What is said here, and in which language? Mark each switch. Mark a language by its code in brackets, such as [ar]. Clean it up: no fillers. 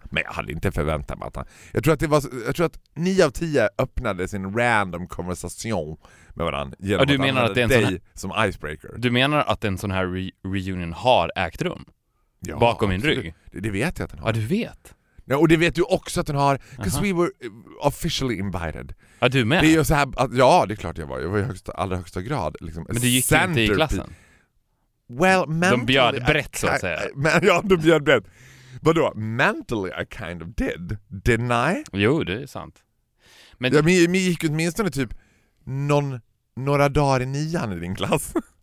[sv] Men jag hade inte förväntat mig att han... Jag tror att 9 av 10 öppnade sin [en] random conversation [sv] med varandra genom du menar att använda dig som icebreaker. Du menar att en sån här reunion har ägt rum? Ja, bakom min rygg? Det vet jag att den har. Ja, du vet. Ja, och det vet du också att den har. [en] Because uh-huh. We were officially invited. [sv] Ja, du med? Det är ju så här, att, ja, det är klart jag var. Jag var i högsta, allra högsta grad. Liksom, men du gick inte i klassen? [en] Well, mentally, [sv] de bjöd brett så att säga. De bjöd brett. Vadå? [en] Mentally I kind of did. Didn't I? [sv] Jo, det är sant. Men ja, vi gick åtminstone typ några dagar i 9 i din klass.